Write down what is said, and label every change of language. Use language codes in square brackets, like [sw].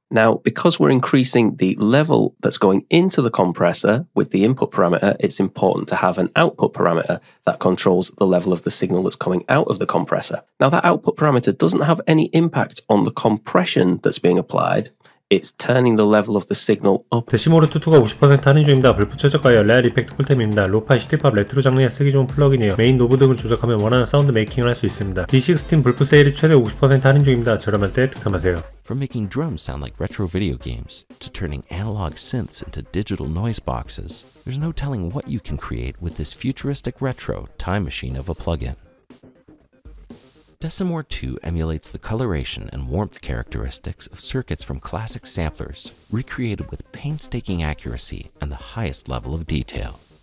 [en] Now, because we're increasing the level that's going into the compressor with the input parameter, it's important to have an output parameter that controls the level of the signal that's coming out of the compressor. Now, that output parameter doesn't have any impact on the compression that's being applied. It's turning the level of the signal up. [ko] Decimort 2가 50% 할인 중입니다. 불프 최저가에요. 레알 이펙트 꿀템입니다. 로파이 시티팝 레트로 장르에 쓰기 좋은 플러그인이에요. 메인 노브 등을 조작하면 원하는 사운드 메이킹을 할 수 있습니다. D16 불프 세일이 최대 50% 할인 중입니다. 저렴할 때 득템하세요. [en] From making drums sound like retro video games to turning analog synths into digital noise boxes, there's no telling what you can create with this futuristic retro time machine of a plugin. Decimort 2 emulates the coloration and warmth characteristics of circuits from classic samplers, recreated with painstaking accuracy and the highest level of detail.